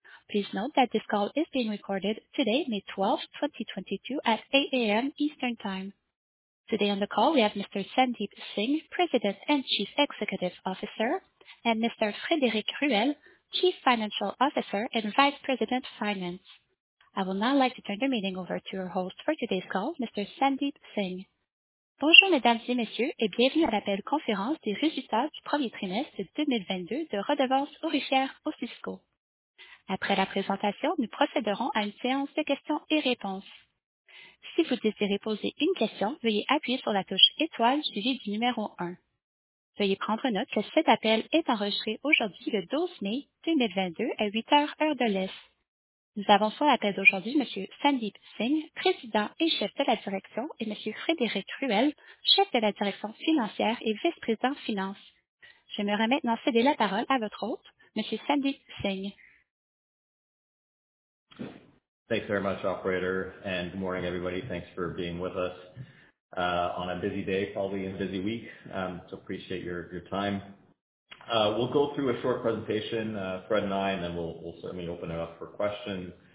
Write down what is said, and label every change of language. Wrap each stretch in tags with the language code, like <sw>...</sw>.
<en>Please note that this call is being recorded today, May 12, 2022 at 8 A.M. Eastern Time. Today on the call we have Mr. Sandeep Singh, President and Chief Executive Officer, and Mr. Frédéric Ruel, Chief Financial Officer and Vice President, Finance. I would now like to turn the meeting over to your host for today's call, Mr. Sandeep Singh.</en> <fr>Bonjour, mesdames et messieurs, et bienvenue à l'appel conférence des résultats du premier trimestre 2022 de Redevances Aurifières Osisko. Après la présentation, nous procéderons à une séance de questions et réponses. Si vous désirez poser une question, veuillez appuyer sur la touche étoile suivie du numéro un. Veuillez prendre note que cet appel est enregistré aujourd'hui, le 12 mai 2022, à 8:00 heure de l'Est. Nous avons sur l'appel d'aujourd'hui Monsieur Sandeep Singh, Président et Chef de la Direction, et Monsieur Frédéric Ruel, Chef de la Direction Financière et Vice-président Finance. J'aimerais maintenant céder la parole à votre hôte, Monsieur Sandeep Singh.</fr> <en>Thanks very much, operator, and good morning, everybody. Thanks for being with us on a busy day, probably a busy week. Appreciate your time. We'll go through a short presentation, Fred and I, and then we'll certainly open it up for questions.</en>